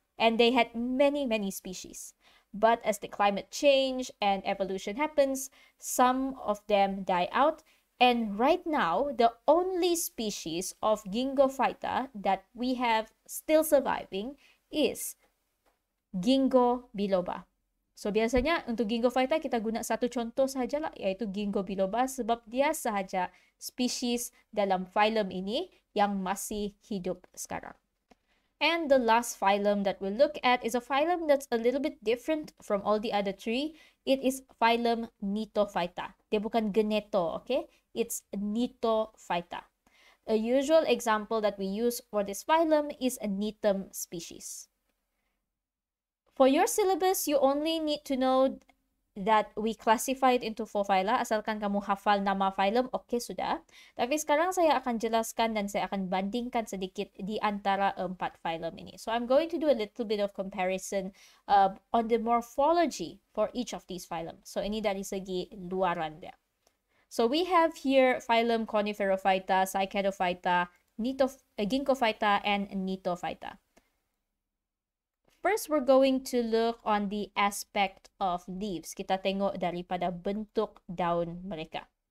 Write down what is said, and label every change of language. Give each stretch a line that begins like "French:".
English: And they had many, many species. But as the climate change and evolution happens, some of them die out. And right now, the only species of Gingophyta that we have still surviving is Gingko biloba.
Malay: So biasanya untuk Gingophyta kita guna satu contoh sajalah, yaitu Gingko biloba, sebab dia sahaja species dalam phylum ini yang masih hidup sekarang.
English: And the last phylum that we'll look at is a phylum that's a little bit different from all the other three. It is phylum Nitophyta.
Malay: Dia bukan Geneto, okay?
English: It's Nitophyta. A usual example that we use for this phylum is a Nitum species. For your syllabus, you only need to know that we classify it into four phyla,
Malay: asalkan kamu hafal nama phylum, okay, sudah. Tapi sekarang saya akan jelaskan dan saya akan bandingkan sedikit di antara empat phylum ini.
English: So I'm going to do a little bit of comparison on the morphology for each of these phylum.
Malay: So ini dari segi luaran dia.
English: So we have here phylum Coniferophyta, Cycadophyta, Ginkgophyta, and Nitophyta. First, we're going to look on the aspect of leaves.
Malay: Kita tengok daripada bentuk daun mereka.